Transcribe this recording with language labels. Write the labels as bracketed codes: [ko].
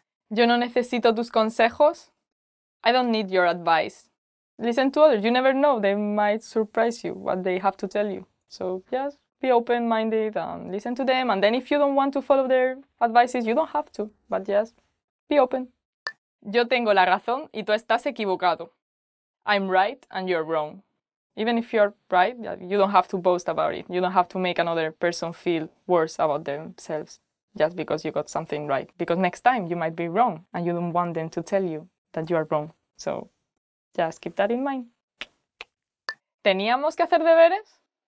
[es] Yo no necesito tus consejos. [en] I don't need your advice. Listen to others. You never know. They might surprise you what they have to tell you. So just be open-minded and listen to them. And then if you don't want to follow their advices, you don't have to. But just be open. [es] Yo tengo la razón y tú estás equivocado. [en] I'm right and you're wrong. Even if you're right, you don't have to boast about it. You don't have to make another person feel worse about themselves just because you got something right. Because next time you might be wrong and you don't want them to tell you that you are wrong. So just keep that in mind. [es] ¿Teníamos que hacer deberes?